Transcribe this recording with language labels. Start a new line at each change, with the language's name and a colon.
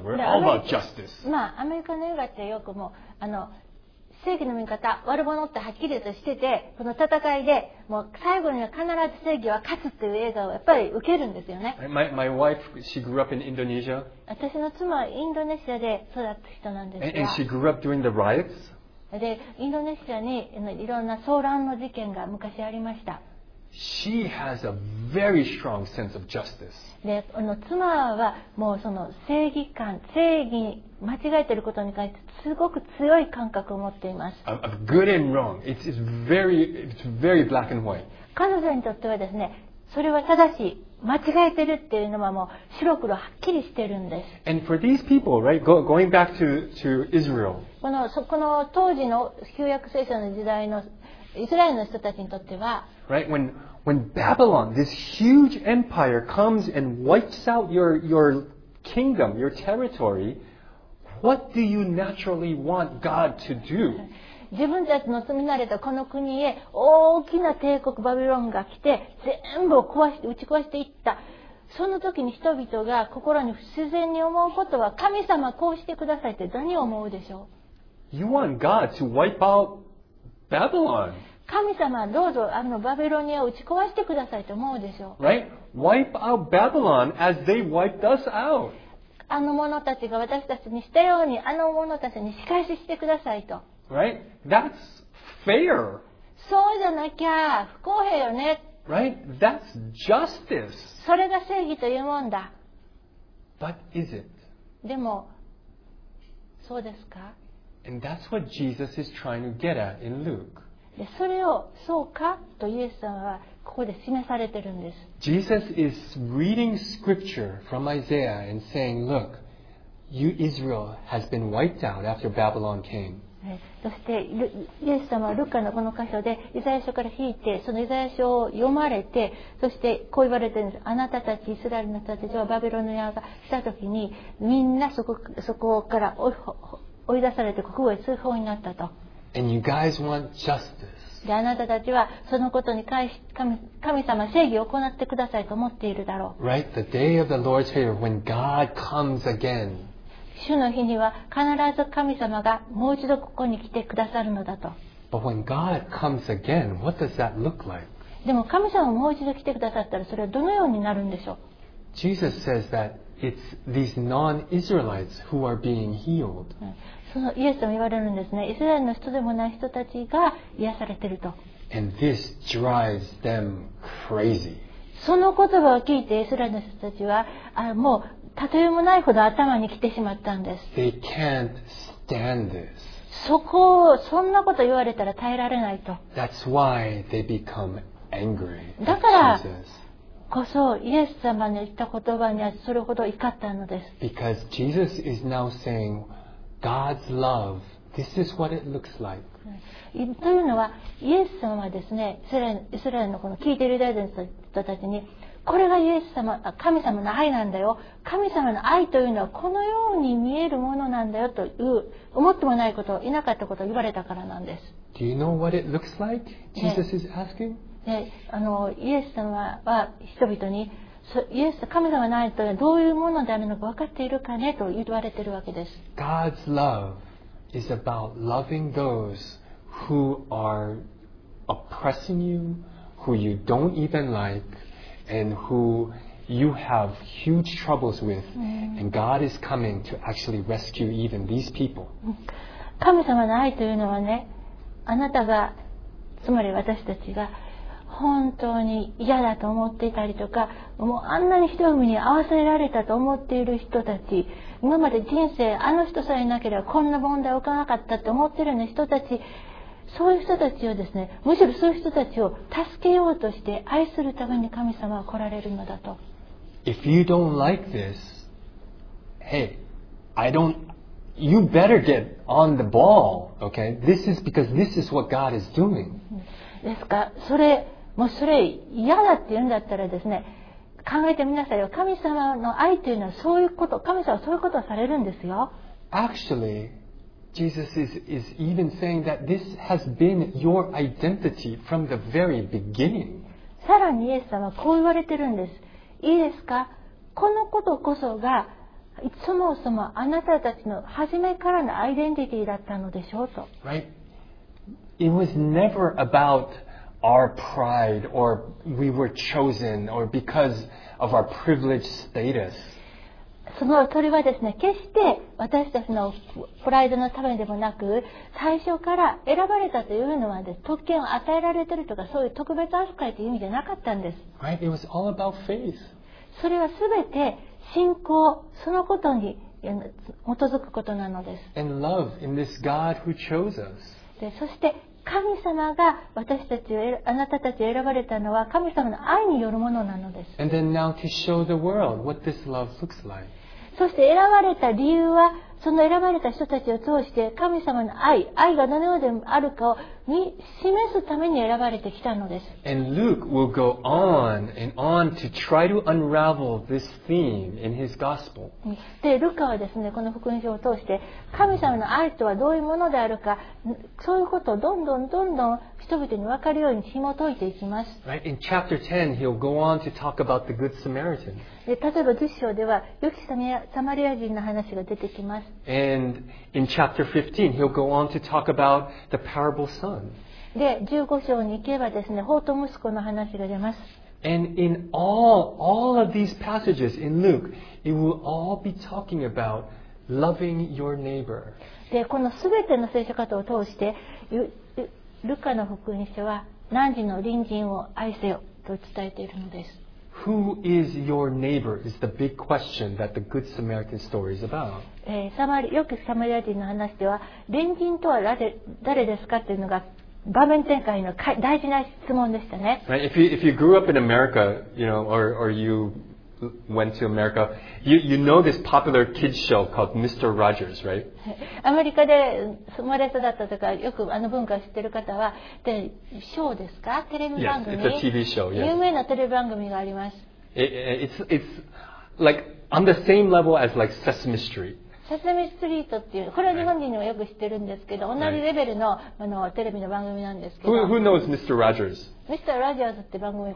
English: We're all about justice.
Japanese: まあ、アメリカの映画ってよくも、正義の味方、悪者ってはっきりとしてて、この戦いで、もう最後には必ず正義は勝つっていう映画をやっぱり受けるんですよね。
English: My wife, she grew up in Indonesia.
Japanese: 私の妻はインドネシアで育った人なんですが。
English: And she grew up during the riots?
Japanese: で、インドネシアにいろんな騒乱の事件が昔ありました。
English: She has a very strong sense of justice.
Japanese: で、妻はもうその正義感、正義間違えてることに関してすごく強い感覚を持っています。
English: Of good and wrong, it's very black and white.
Japanese: 彼女にとってはですね、それは正しい、間違えてるっていうのはもう白黒はっきりしてるんです。
English: And for these people, right, going back to Israel.
Japanese: この当時の旧約聖書の時代のイスラエルの人たちにとっては、
English: Right, when Babylon, this huge empire, comes and wipes out your kingdom, your territory, what do you naturally want God to do?
Japanese: 自分たちの住み慣れたこの国へ大きな帝国バビロンが来て全部を壊して打ち壊していった。その時に人々が心に不自然に思うことは神様こうしてくださいって何思うでしょう。
English: You want God to wipe out Babylon.
Japanese: 神様どうぞバビロニアを打ち壊してくださいと思うでしょう。
English: Right? Wipe out Babylon as they wiped us out.
Japanese: あの者たちが私たちにしたようにあの者たちに仕返ししてくださいと。
English: Right? That's fair.
Japanese: そうじゃなきゃ不公平よね。
English: Right? That's justice.
Japanese: それが正義というもんだ。
English: But is it?
Japanese: でも、そうですか?
English: And that's what Jesus is trying to get at in Luke.
Japanese: で、それをそうかとイエス様はここで示されてるんです。
English: Jesus is reading scripture from Isaiah and saying, Look, you Israel has been wiped out after Babylon came.
Japanese: そしてイエス様はルカのこの箇所でイザヤ書から引いてそのイザヤ書を読まれてそしてこう言われてるんです。あなたたちイスラエルの人たちはバビロニアが来た時にみんなそこから追い出されて国外追放になったと。
English: And you guys want justice.
Japanese: であなたたちはそのことに関し 神様正義を行ってくださいと思っているだろう。
English: Right, the day of the Lord's favor when God comes again.
Japanese: 主の日には必ず神様がもう一度ここに来てくださるのだと。
English: But when God comes again, what does that look like?
Japanese: でも神様がもう一度来てくださったらそれはどのようになるんでしょう。
English: Jesus says that it's these non-Israelites who are being healed.
Japanese: そのイエスも言われるんですね。イスラエルの人でもない人たちが癒されていると。
English: And this drives them crazy.
Japanese: その言葉を聞いてイスラエルの人たちはもう例えもないほど頭に来てしまったんです。
English: They can't stand this.
Japanese: そんなこと言われたら耐えられないと。
English: That's why they become angry.
Japanese: だからこそイエス様の言った言葉にはそれほど怒ったのです。
English: Because Jesus is now saying, God's love, this is what it looks like.
Japanese: というのはイエス様はですね、イスラエルのこの聞いているユダヤ人たちに。これがイエス様、神様の愛なんだよ。神様の愛というのはこのように見えるものなんだよという思ってもないこと、いなかったことを言われたからなんです。
English: Do you know what it looks like? Jesus is asking.
Japanese: イエス様は人々に、イエス神様の愛というのはどういうものであるのか分かっているかねと言われているわけです。
English: God's love is about loving those who are oppressing you, who you don't even like. And who you have huge troubles with, and God is coming to actually rescue even these people.
Japanese: 神様の愛というのはね、あなたが、つまり私たちが、本当に嫌だと思っていたりとか、もうあんなにひどい目に遭わせられたと思っている人たち、今まで人生あの人さえいなければこんな問題を置かなかったと思っているような人たち、そういう人たちをですね、むしろそういう人たちを助けようとして愛するために神様は来られるのだと。
English: If you don't like this, hey, I don't, you better get on the ball, okay? This is because this is what God is doing.
Japanese: ですか、それもうそれ嫌だって言うんだったらですね、考えてみなさいよ。神様の愛というのはそういうこと、神様はそういうことをされるんですよ。
English: Actually,Jesus is even saying that this has been your identity from the very beginning.
Japanese: さらにイエス様はこう言われてるんです。いいですか？このことこそがそもそもあなたたちの初めからのアイデンティティだったのでしょうと。
English: Right? It was never about our pride or we were chosen or because of our privileged status.
Japanese: それはですね、決して私たちのプライドのためでもなく、最初から選ばれたというのは、ね、特権を与えられているとか、そういう特別扱いという意味じゃなかったんです。
English: Right? It was all about faith.
Japanese: それはすべて信仰、そのことに基づくことなのです。
English: And love in this God who chose us.
Japanese: で、そして神様が私たちを、あなたたちを選ばれたのは神様の愛によるものなのです。
English: And then now to show the world what this love looks like.
Japanese: そして選ばれた理由は、その選ばれた人たちを通して神様の愛、愛がどのようであるかを示すために選ばれてきたのです。
English: And Luke will go on and on to try to unravel this theme in his gospel.
Japanese: で、ルカはですね、この福音書を通して神様の愛とはどういうものであるか、そういうことをどんどんどんどん人々に分かるように紐解いていきます。
English: Right? In chapter 10, he'll go on to talk about the Good Samaritan.
Japanese: で、例えば10章では良きサマリア人の話が出てきます。
English: And in chapter 15, he'll go on to talk about the parable son.
Japanese: で、15章に行けばですね、法と息子の話が出ます。
English: And in all of these passages in Luke, it will all be talking about loving your neighbor.
Japanese: で、このすべての聖書箇所を通して、ルカの福音書は汝の隣人を愛せよと伝えているのです。
English: Who is your neighbor? Is the big question that the Good Samaritan story is about.
Japanese: よくサマリア人の話では、隣人とは誰ですかというのが場面展開の大事な質問でしたね。
English: Right? If you grew up in America, you know, or you went to America, you know this popular kids show called Mr. Rogers, right?
Japanese: アメリカで生まれ育ったとか、よくあの文化を知ってる方は、で、ショーですか？テレビ番組？
English: Yes, it's a TV show, yes.
Japanese: 有名なテレビ番組があります。
English: It's like on the same level as like Sesame Street.
Japanese: サセミストリートっていう、これは日本人にもよく知ってるんですけど、同じレベル の, あのテレビの番組なんですけど。
English: Who knows Mr. Rogers? Mr.
Japanese: Rogers って番組です